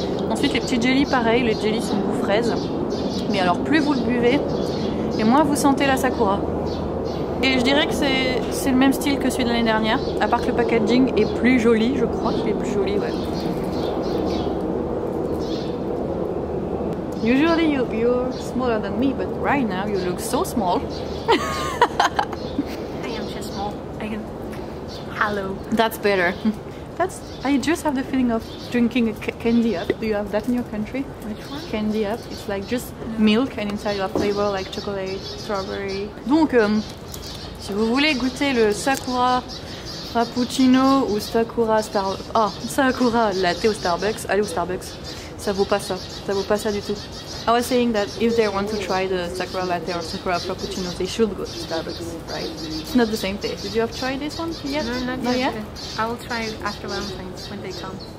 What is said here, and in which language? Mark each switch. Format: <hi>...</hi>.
<fr>Ensuite, les petits jellies, pareil, les jellies sont goût fraise. Mais alors, plus vous le buvez, et moins vous sentez la sakura. Et je dirais que c'est le même style que celui de l'année dernière, à part que le packaging est plus joli, je crois qu'il est plus joli, ouais.</fr> <en>Usually you're smaller than me, but right now you look so small. I am just small. I can... Hello. That's better. I just have the feeling of drinking a candy up. Do you have that in your country? Which one? Candy up. It's like just milk and inside you have flavor like chocolate, strawberry.</en> <fr>Donc, si vous voulez goûter le Sakura Frappuccino ou Sakura Sakura Latte au Starbucks, allez au Starbucks. Ça vaut pas ça, ça vaut pas ça du tout.</fr> <en>I was saying that if they want to try the Sakura Latte or Sakura Frappuccino, they should go to Starbucks, right? It's not the same thing. Did you have tried this one yet? No, not yet. I will try after Valentine's when they come.</en>